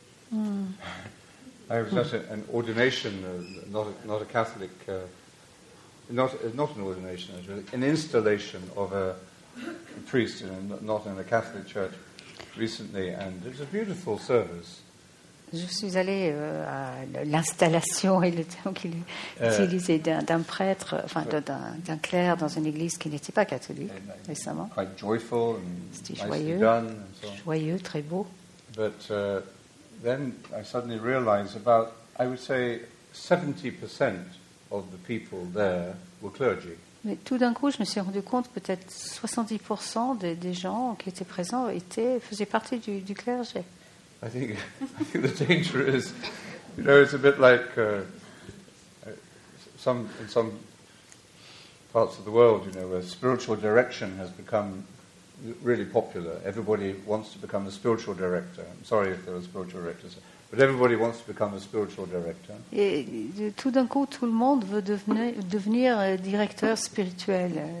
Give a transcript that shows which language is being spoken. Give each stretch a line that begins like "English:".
English: I was at an ordination, not a Catholic, not an ordination, an installation of a priest, not in a Catholic church, recently, and it was a beautiful service.
French: Je suis allée à l'installation et le terme qu'il utilisait d'un prêtre, enfin d'un clerc dans une église qui n'était pas catholique récemment.
English: Quite joyful and
French: c'était joyeux,
English: nicely done,
French: joyeux, très beau.
English: But then I suddenly realized about, I would say, 70% of the people there were clergy.
French: Mais tout d'un coup, je me suis rendu compte peut-être 70% des gens qui étaient présents faisaient partie du clergé.
English: I think the danger is, you know, it's a bit like in some parts of the world, you know, where spiritual direction has become really popular. Everybody wants to become a spiritual director. I'm sorry if there are spiritual directors, but everybody wants to become a spiritual director.
French: Et tout d'un coup, tout le monde veut devenir directeur spirituel.